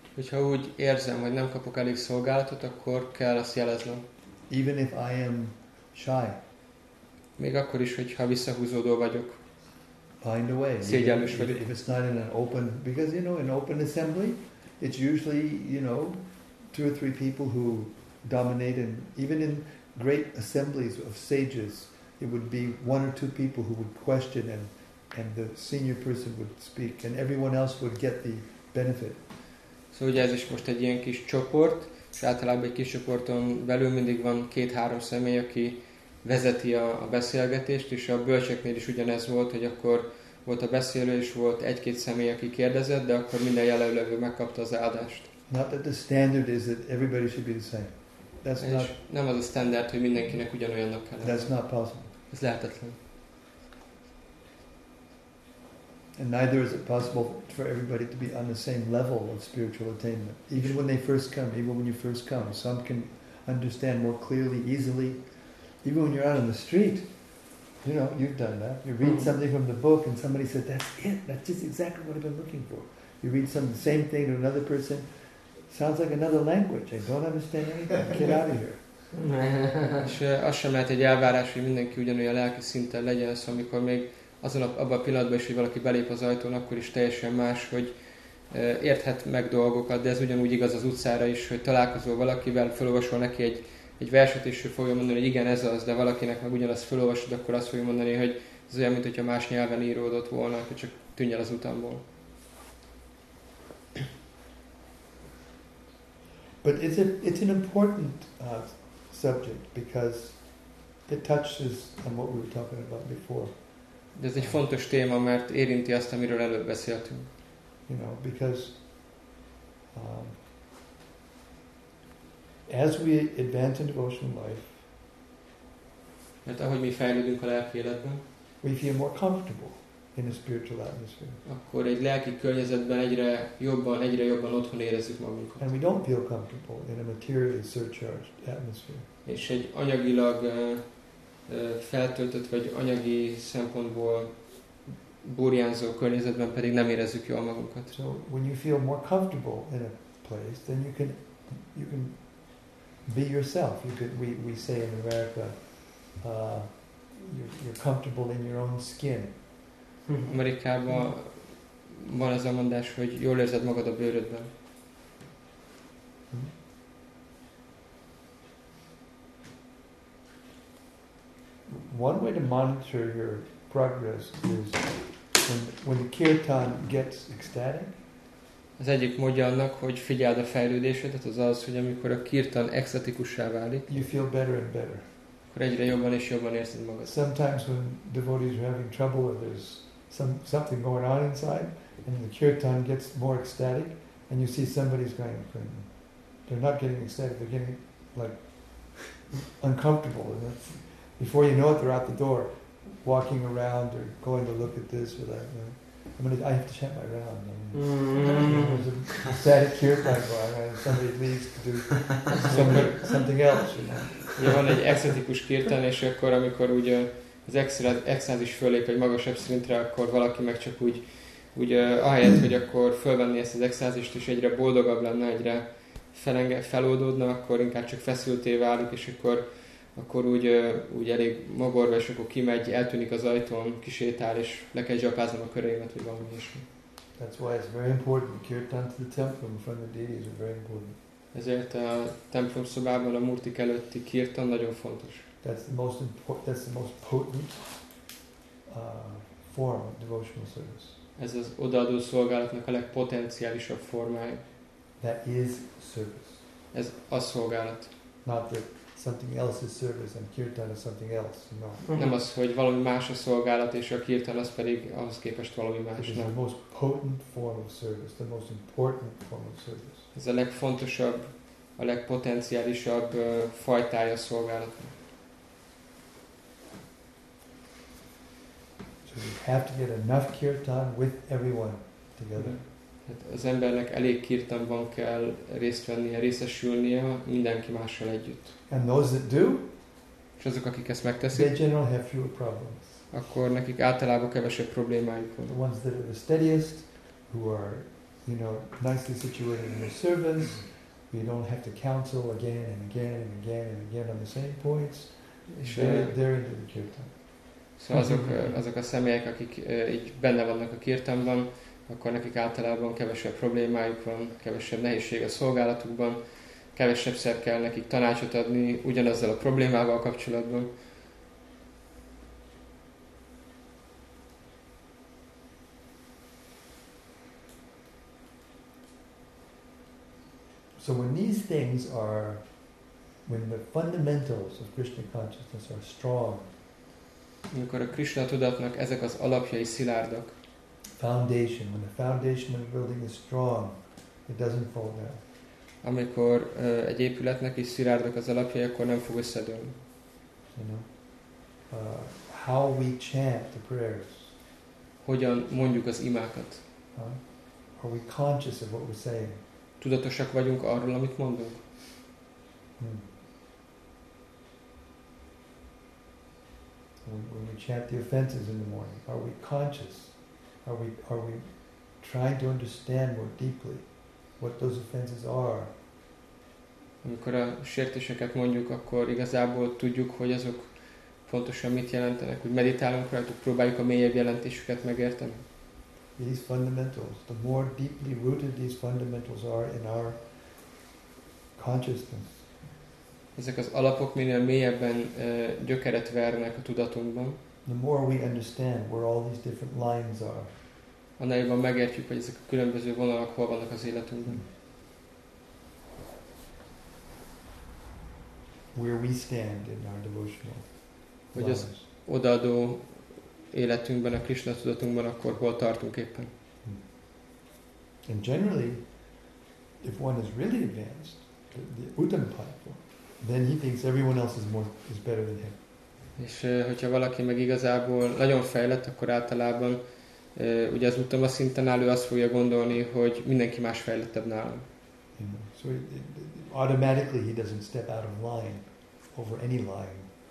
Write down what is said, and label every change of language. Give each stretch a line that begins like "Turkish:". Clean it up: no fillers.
Hungarian: Hogyha úgy érzem, hogy nem kapok elég szolgálatot, akkor kell azt jeleznem.
English: Even if I am shy.
Hungarian: Még akkor is, hogyha visszahúzódó vagyok.
English: Find a way.
Hungarian: Szégyenlős vagyok.
English: If it's not in an open, because you know, in open assembly, it's usually, you know, two or three people who dominate, and even in great assemblies of sages, it would be one or two people who would question, and the senior person would speak, and everyone else would get the benefit.
Hungarian: So, ugye ez is most egy ilyen kis csoport, és általában egy kis csoporton belül mindig van két-három személy, aki vezeti a beszélgetést, és a bölcseknél is ugyanez volt, hogy akkor volt a beszélő, és volt egy-két személy, aki kérdezett, de akkor minden jelenlevő megkapta az áldást.
English: Not that the standard is that everybody should be the same. That's
Hungarian: és
English: not.
Hungarian: Nem az a standard, hogy mindenkinek ugyanolyannak kell.
English: That's not possible.
Hungarian: Ez lehetetlen.
English: And neither is it possible for everybody to be on the same level of spiritual attainment. Even when they first come, even when you first come, some can understand more clearly, easily. Even when you're out on the street, you know, you've done that. You read something from the book and somebody said, that's it, that's just exactly what I've been looking for. You read some the same thing to another person, sounds like another language, I don't understand anything, get out of here.
Hungarian: És az sem lehet egy elvárás, hogy mindenki ugyanolyan lelki szinten legyen, szóval amikor még azon abban a pillanatban is, hogy valaki belép az ajtón, akkor is teljesen más, hogy érthet meg dolgokat, de ez ugyanúgy igaz az utcára is, hogy találkozol valakivel, felolvasol neki egy verset, és ő fogja mondani, hogy igen, ez az, de valakinek meg ugyanazt felolvasod, akkor azt fogja mondani, hogy ez olyan, mint hogyha más nyelven íródott volna, hogy csak tűnj el az utamból.
English: But it's an important subject, because it touches on what we were talking about before.
Hungarian: De ez egy fontos téma, mert érinti azt, amiről előbb beszéltünk.
English: You know, because as we advance in devotional life,
Hungarian: mert ahogy mi fejlődünk a lelki életben,
English: we feel more comfortable in a spiritual atmosphere.
Hungarian: Akkor egy lelki környezetben egyre jobban otthon érezzük magunkat.
English: And we don't feel comfortable in a materially surcharged atmosphere.
Hungarian: És egy anyagilag feltöltött vagy anyagi szempontból burjánzó környezetben pedig nem érezzük jól magunkat.
English: So when you feel more comfortable in a place, then you can be yourself. You could, we say in America, you're comfortable in your own skin.
Hungarian: Amerikában van ez a mondás, hogy jól érzed magad a bőrödben.
English: One way to monitor your progress is when the kirtan gets ecstatic.
Hungarian: Az egyik módja annak, hogy figyeld a fejlődésedet, az az, hogy amikor a kirtan ekstatikussá válik,
English: you feel better and better.
Hungarian: Akkor egyre jobban és jobban érzed magad.
English: Sometimes when devotees are having trouble or there's something going on inside and the kirtan gets more ecstatic and you see somebody's going crazy. They're not getting ecstatic, they're getting like uncomfortable. And that's, before you know it, they're out the door, walking around or going to look at this or that. You know. I have to chant my round. Somebody leaves to do something else. You know.
Hungarian: Ja, van egy exotikus kirtan, és akkor, amikor ugye az exzázis fölép egy magasabb szintre, akkor valaki meg csak úgy ahelyett, hogy akkor fölvenni ezt az exzázist, és egyre boldogabb lenne, egyre feloldódna, akkor inkább csak feszülté válik, és akkor úgy elég magorva, és akkor kimegy, eltűnik az ajtón, kisétál, és le kell zsapáznom a körémet, vagy valami is.
English: That's why it's very important. Kirtan to the temple in front of the deities are very important.
Hungarian: Ezért a templom szobában a murtik előtti kirtan nagyon fontos.
English: That's the most potent form of devotional service.
Hungarian: Ez az odaadó szolgálatnak a legpotenciálisabb formája.
English: That is service.
Hungarian: Ez a szolgálat.
English: Not that something else is service and kirtan is something else. No.
Hungarian: Nem az, hogy valami más a szolgálat és a kirtan az pedig ahhoz képest valami más.
English: It is the most potent form of service, the most important form of service.
Hungarian: Ez a legfontosabb, a legpotenciálisabb fajtája a szolgálat.
English: So we have to get enough kirtan with everyone together. Mm-hmm.
Hungarian: Tehát az embernek elég kirtanban kell részt vennie, részesülnie mindenki mással együtt.
English: And those that do,
Hungarian: és azok, akik ezt megteszik,
English: they generally have fewer problems.
Hungarian: Akkor nekik általában kevesebb problémájuk van.
English: The ones that are the steadiest, who are, you know, nicely situated in their service, we don't have to counsel again and again and again and again on the same points, they're into the kirtan.
Hungarian: Szóval azok a személyek, akik így benne vannak a kirtanban, akkor nekik általában kevesebb problémájuk van, kevesebb nehézség a szolgálatukban, kevesebbszer kell nekik tanácsot adni ugyanazzal a problémával kapcsolatban.
English: So when these things are, when the fundamentals of Krishna consciousness are strong,
Hungarian: amikor a Krishna tudatnak ezek az alapjai szilárdak,
English: foundation, when the foundation of a building is strong, it doesn't fall down.
Hungarian: Amikor egy épületnek is szilárdak az alapjai, akkor nem fog összedőlni.
English: You know? How we chant the prayers.
Hungarian: Hogyan mondjuk az imákat.
English: Huh? Are we conscious of what we're saying?
Hungarian: Tudatosak vagyunk arról, amit mondunk?
English: When we chant the offenses in the morning, are we conscious? Are we trying to understand more deeply what those offenses are?
Hungarian: Amikor a sértéseket mondjuk, akkor igazából tudjuk, hogy azok pontosan mit jelentenek, hogy meditálunk rajtuk, próbáljuk a mélyebb jelentésüket megérteni.
English: These fundamentals, the more deeply rooted these fundamentals are in our consciousness.
Hungarian: Ezek az alapok minél mélyebben gyökeret vernek a tudatunkban.
English: The more we understand where all these different lines are.
Hungarian: Annál jobban megértjük, hogy ezek a különböző vonalak hol vannak az életünkben.
English: Where we stand in our devotional lives.
Hungarian: Hogy az odaadó életünkben, a Krishna tudatunkban akkor hol tartunk éppen.
English: And generally, if one is really advanced, the Uttam Paipo, then he thinks everyone else is better than him.
Hungarian: És hogyha valaki meg igazából nagyon fejlett, akkor általában ugye az utam a szinten álló azt fogja gondolni, hogy mindenki más fejlettebb nálam.
English: So automatically he doesn't step out of line over any line.